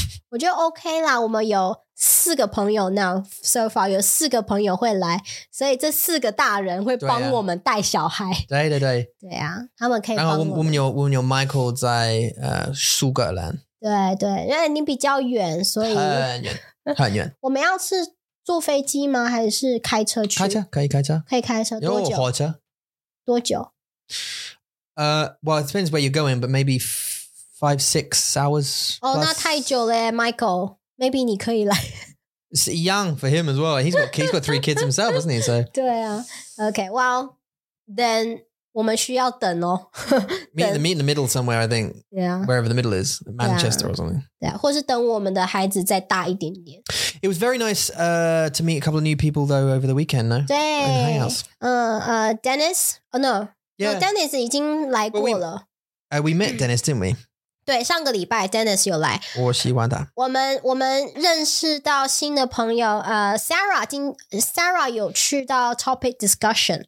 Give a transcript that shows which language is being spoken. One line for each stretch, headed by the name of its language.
Chinese: 我觉得 OK 啦我们有四个朋友
English: now so far
Chinese: 有四个朋友会来所以这四个大人会帮我们带小孩对、啊、对对对, 对啊他们可以帮我们然后我们有 Michael 在苏格兰对对因为你比较远所以很远我们要是坐飞机吗还是开车去开车可以开车可以开车多久有火车多久
English: Well it depends where you're going but maybe five six hours
Chinese: 哦那太久了 Michael Maybe 你可以来。
English: It's young for him as well. He's got three kids himself, isn't he? So.
Chinese: 对啊。
English: Okay, well, then
Chinese: 我们需要等哦。
English: meet in the middle somewhere, I think. Yeah. Wherever the middle is. Manchester or something.
Chinese: 对啊。或是等我们的孩子再大一点点。
English: It was very nice to meet a couple of new people though over the weekend, no? 对。Dennis? Oh, no. Yeah.
Chinese: No, Dennis 已经来过了。
English: We met Dennis, didn't we?
Chinese: 对，上个礼拜 Dennis 有来，我喜欢他。我们认识到新的朋友，Sarah 有去到 topic discussion，